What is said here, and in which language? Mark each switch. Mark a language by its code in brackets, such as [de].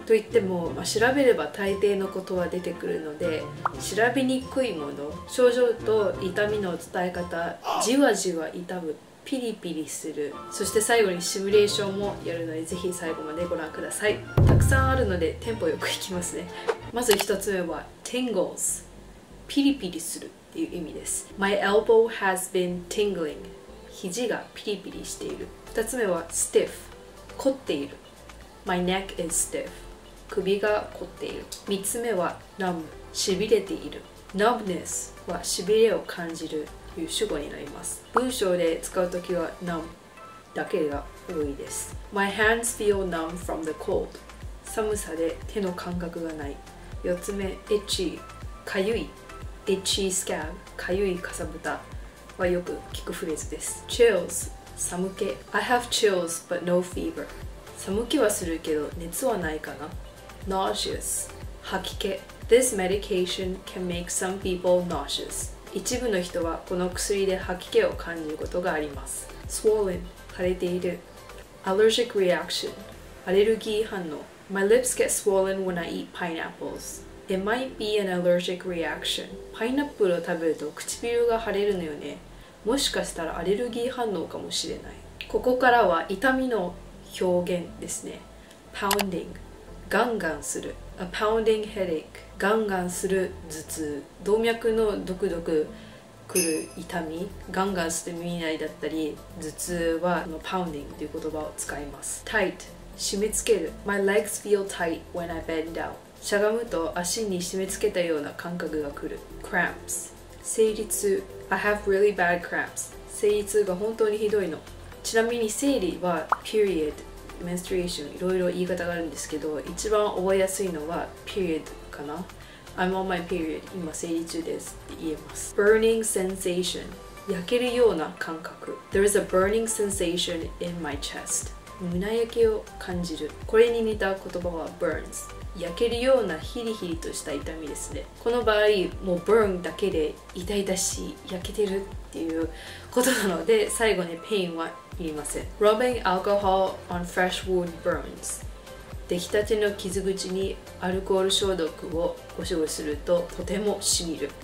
[ja] と言っても、調べれば大抵のことは出てくるので、調べにくいもの、症状と痛みの伝え方、じわじわ痛む、ピリピリする、そして最後にシミュレーションもやるので、ぜひ最後までご覧ください。たくさんあるのでテンポよくいきますね。まず一つ目は Tingles、 ピリピリするっていう意味です。 [en] My elbow has been tingling、肘がピリピリしている。 [ja] 二つ目は Stiff、 凝っている。 [en] My neck is stiff、首が凝っている。 [ja] 三つ目は Numb、 しびれている。Numbness はしびれを感じるという主語になります。文章で使うときは Numb だけが多いです。 [en] My hands feel numb from the cold、寒さで手の感覚がない。 [ja] 4つ目、itchy、 かゆい。itchy scab、 かゆいかさぶたはよく聞くフレーズです。 [en] chills、 寒気。I have chills but no fever、寒気はするけど熱はないかな。 [ja] nauseous、 吐き気。 This medication can make some people nauseous、一部の人はこの薬で吐き気を感じることがあります。 swollen、 腫れている。allergic reaction、 アレルギー反応。 [en] My lips get swollen when I eat pineapples. It might be an allergic reaction. [ja] パイナップルを食べると唇が腫れるのよね。もしかしたらアレルギー反応かもしれない。ここからは痛みの表現ですね。Pounding、 ガンガンする。 A pounding headache、 ガンガンする頭痛、動脈のドクドクくる痛み。ガンガンする耳鳴りだったり頭痛はこの Pounding という言葉を使います。 [en] Tight、締め付ける。My legs feel tight when I bend down、しゃがむと足に締め付けたような感覚が来る。 Cramps、 生理痛。I have really bad cramps、生理痛が本当にひどいの。 [ja] ちなみに生理は period、 menstruation、 いろいろ言い方があるんですけど、一番覚えやすいのは period かな。 [en] I'm on my period、今生理中ですって言えます。 Burning sensation、 焼けるような感覚。 There is a burning sensation in my chest、胸焼けを感じる。 [ja] これに似た言葉は burns、 焼けるようなヒリヒリとした痛みですね。この場合もう burn だけで痛々しい、焼けてるっていうことなので、最後に pain はいりません。 [en] Rubbing alcohol on fresh wound burns、出来たての傷口にアルコール消毒をゴシゴシするととてもしみる。